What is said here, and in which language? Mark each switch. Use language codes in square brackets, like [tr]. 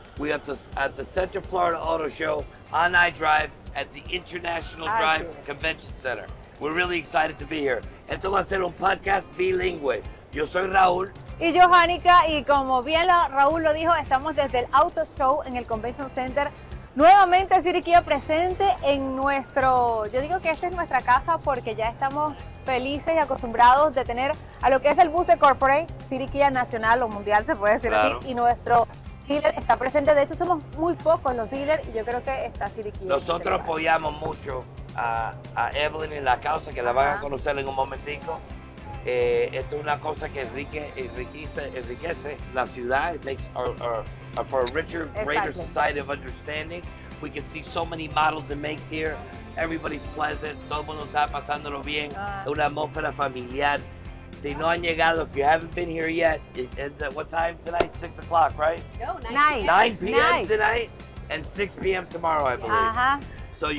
[en] We have this at the Central Florida Auto Show on iDrive at the International Drive Convention Center. We're really excited to be here. [es] Esto va a ser un podcast bilingüe. Yo soy Raúl. Y yo, Jánica, y como bien Raúl lo dijo, estamos desde el Auto Show en el Convention Center. Nuevamente, City Kia presente en nuestro... Yo digo que esta es nuestra casa porque ya estamos felices y acostumbrados de tener a lo que es el Buse Corporate, City Kia Nacional o Mundial, se puede decir así, y nuestro dealer está presente. De hecho, somos muy pocos los dealers y yo creo que está City Kia. Nosotros apoyamos mucho a Evelyn y la causa, que la van a conocer en un momentico. Esto es una cosa que enriquece la ciudad. [en] It makes for a richer, greater society of understanding. We can see so many models and makes here. Everybody's pleasant. [es] Todo el mundo está pasándolo bien. Una atmósfera familiar. Si no han llegado, [en] if you haven't been here yet, it ends at what time tonight? 6 o'clock, right? No, 9 p.m. 9 p.m. tonight and 6 p.m. tomorrow, I believe. So you